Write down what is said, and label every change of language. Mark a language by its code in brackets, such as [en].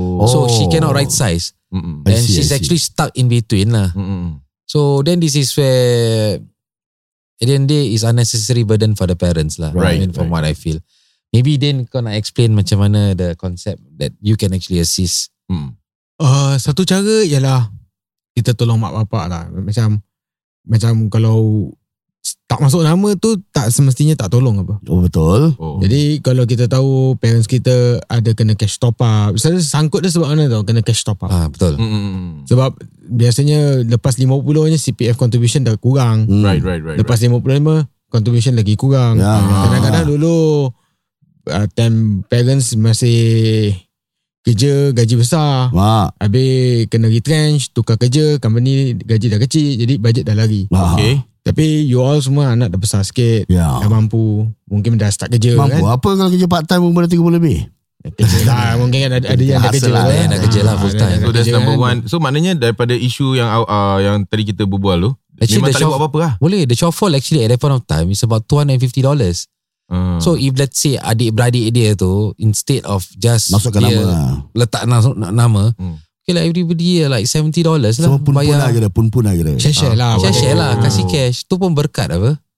[en] So she cannot right size. And she's actually stuck in between lah. So then this is where at the end day is unnecessary burden for the parents lah. Right, I mean, from what I feel. Maybe then [ms] kau nak [en] explain [ms] macam mana [en] the concept that you can actually assist. [ms] Satu cara ialah kita tolong mak bapak lah. Macam macam kalau tak masuk nama tu, tak semestinya tak tolong apa. Oh betul. Jadi kalau kita tahu parents kita ada kena cash top up, misalnya sangkut dia sebab mana tau kena cash top up. Ah betul. Sebab biasanya lepas 50 nya CPF contribution dah kurang. [en] Right. [ms] Lepas 55 contribution lagi kurang. Kadang-kadang dulu time parents masih kerja gaji besar. Wah. Habis kena retrench, tukar kerja, company gaji dah kecil, jadi bajet dah lari. [en] Okay. [ms] Tapi you all semua anak dah besar sikit, dah mampu, mungkin dah start kerja. Mampu kan? Apa kalau kerja part time umur dah 30 lebih? Kerjalah, mungkin ada yang dah kerja. Ada yang dah kerja lah full time. [en] So that's number one. [ms] So maknanya daripada isu yang yang tadi kita berbual tu, [en] actually, [ms] memang tak boleh buat apa-apa lah. Boleh, [en] the shortfall actually at that point of time is about $250. So if let's say [ms] adik-beradik dia tu [en] instead of just [ms] masukkan dia nama letak nama okay lah, [en] everybody like [ms] $70 lah. Semua pun lah kira. Share lah, kasih cash. Tu pun berkat apa.